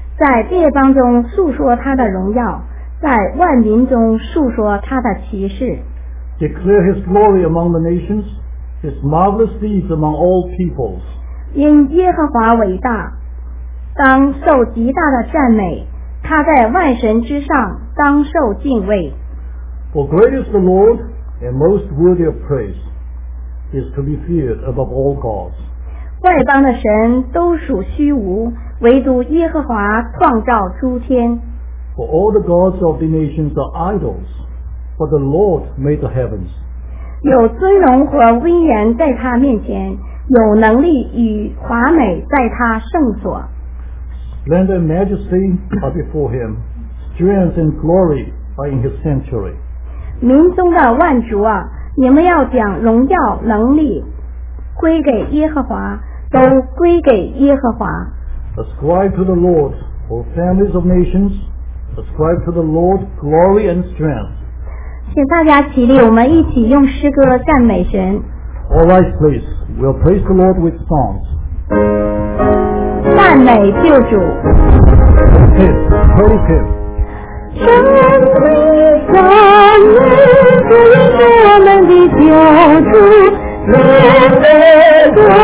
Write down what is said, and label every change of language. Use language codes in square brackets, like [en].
[zh] 在列邦中述说他的荣耀，在万民中述说他的奇事。 [en] Declare His glory among the nations, His marvelous deeds among all peoples. [zh] 因耶和华伟大，当受极大的赞美，他在万神之上当受敬畏。 [en] For great is the Lord, and most worthy of praise, is to be feared above all gods. [zh] 外邦的神都属虚无，唯独耶和华创造诸天。 [en] For all the gods of the nations are idols, but the Lord made the heavens. [zh] 有尊荣和威严在他面前，有能力与华美在他圣所。 [en] Splendor and majesty are before him. Strength and glory are in his sanctuary. [zh] 民中的万族啊，你们要将荣耀能力归给耶和华，都归给耶和华。 [en] Ascribe to the Lord, O families of nations. Ascribe to the Lord glory and strength. [zh] 请大家起立，我们一起用诗歌赞美神。 [en] All right, please. We'll praise the Lord with songs. [zh] 赞美救主，赞美是我们的救主，怜悯的主